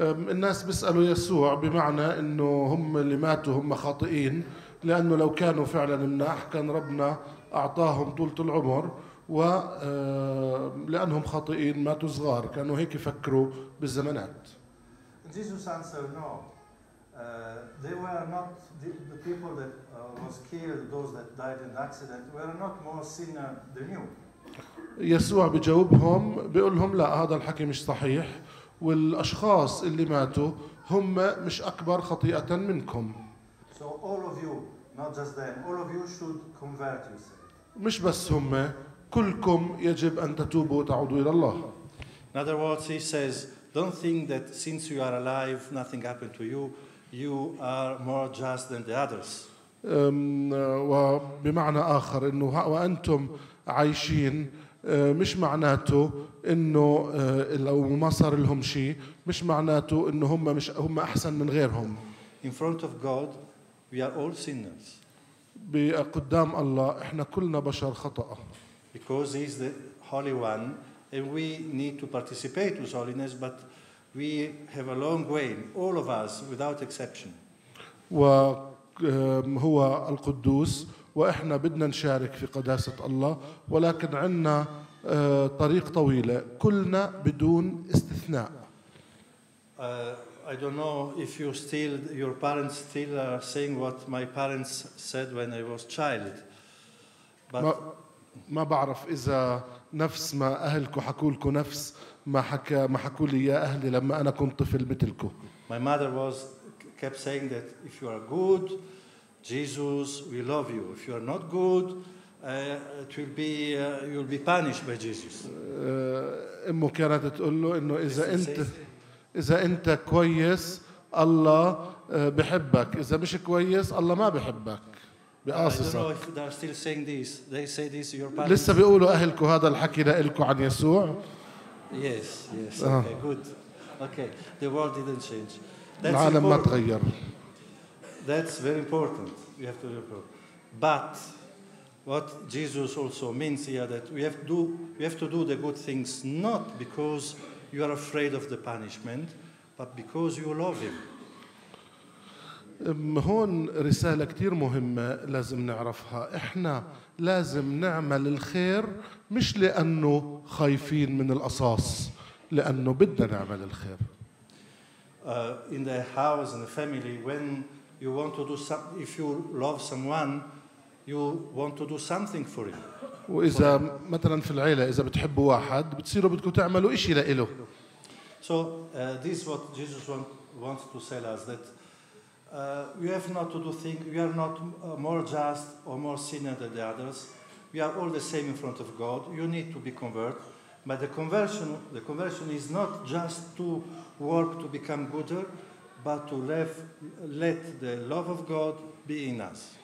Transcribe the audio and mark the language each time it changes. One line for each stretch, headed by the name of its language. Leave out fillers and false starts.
Arabic: الناس بيسألوا يسوع بمعنى إنه هم اللي ماتوا هم خاطئين، لأنه لو كانوا فعلاً مناح كان ربنا أعطاهم طولة العمر، ولأنهم خاطئين ماتوا صغار، كانوا هيك يفكروا بالزمانات.
English: Jesus answered no. They were not the people that was killed, those that died in the accident were not more sinner than you.
Arabic: يسوع بجاوبهم بيقول لهم لا، هذا الحكي مش صحيح، والأشخاص اللي ماتوا هم مش أكبر خطيئة منكم.
English: So all of you, not just them, all of you should convert yourself.
Arabic: مش بس هم، كلكم يجب أن تتوبوا وتعودوا إلى الله.
English: In other words, he says, don't think that since you are alive, nothing happened to you. You are more just than the others.
Arabic: وبمعنى آخر إنه وأنتم عايشين مش معناته إنه لو ما صار لهم شيء مش معناته إنه هم أحسن من غيرهم.
English: In front of God, we are all sinners.
Arabic: بقدام الله إحنا كلنا بشر خطأ.
English: Because He is the Holy One, and we need to participate with holiness, but we have a long way, all of us, without exception.
Arabic: وهو القدوس وإحنا بدنا نشارك في قداسة الله، ولكن عنا طريق طويلة كلنا بدون استثناء.
English: I don't know if you still, your parents still are saying what my parents said when I was child. But
Arabic: ما بعرف إذا نفس ما أهلكوا حكوا لكم نفس ما حكى ما حكوا لي يا أهلي لما أنا كنت طفل مثلكم.
English: My mother was kept saying that if you are good, Jesus will love you. If you are not good, it will be you'll be punished by Jesus.
Arabic: أمه كانت تقول له إنه إذا أنت كويس الله بحبك، إذا مش كويس الله ما بحبك. بقاصصك.
English: I don't know if they are still saying this. They say this your parents.
Arabic: لسه بيقولوا أهلكوا هذا الحكي لإلكوا عن يسوع.
English: Yes, yes. Okay, good. Okay, the world didn't change. That's
Arabic: العالم
English: important.
Arabic: ما تغير.
English: That's very important. We have to improve. But what Jesus also means here that we have to do the good things not because you are afraid of the punishment, but because you love him.
Arabic: هون رسالة كتير مهمة لازم نعرفها. إحنا لازم نعمل الخير مش لأنه خايفين من القصاص، لأنه بدنا نعمل الخير.
English: In the house, in the family, when you want to do some, if you love someone, you want to do something for him.
Arabic: وإذا مثلاً في العيلة إذا بتحبوا واحد بتصيروا بدكوا تعملوا إشي لإله.
English: So this is what Jesus wants to tell us that we have not to do things. We are not more just or more sinner than the others. We are all the same in front of God. You need to be converted, but the conversion is not just to work to become gooder, but to let the love of God be in us.